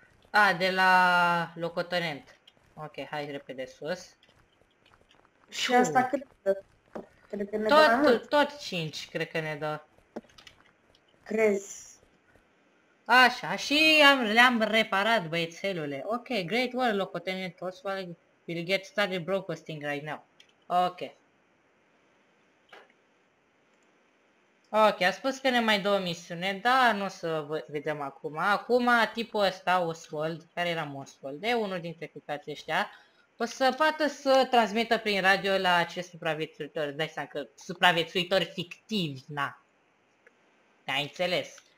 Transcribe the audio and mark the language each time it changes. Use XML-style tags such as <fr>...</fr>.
<ro>A, de la locotenent. Ok, hai repede sus. Și asta cât dă? Cred că ne tot, dă mai tot 5, cred că ne dă. Crezi? Așa, și am, le-am reparat, băiețelule.</ro> <en>Ok, great work, locotenent. Oswald will get started broadcasting right now.</en> <ro>Ok. Ok, a spus că ne mai dă o misiune, dar nu o să vedem acum. Acum, tipul ăsta, Oswald, care era Oswald, e unul dintre picații ăștia, o să poată să transmită prin radio la acest supraviețuitor. Dai seama că supraviețuitori fictivi, na. Te-ai înțeles?</ro>